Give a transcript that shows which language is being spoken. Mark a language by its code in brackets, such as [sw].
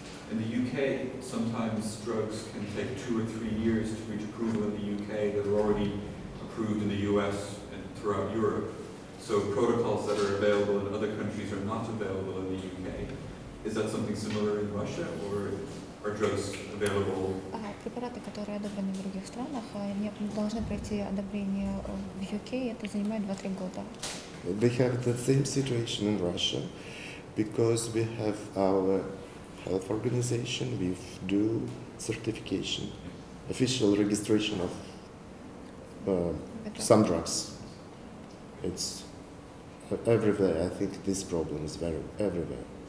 [en] In the UK, sometimes drugs can take 2 or 3 years to reach approval in the UK that are already approved in the US and throughout Europe. So protocols that are available in other countries are not available in the UK. Is that something similar in Russia, or are drugs available? [ru] Препараты, которые одобрены в других странах, они должны пройти одобрение в UK, и это занимает 2-3 года. [en] We have the same situation in Russia, because we have our health organization, we do certification, official registration of some drugs. It's everywhere. I think this problem is very everywhere.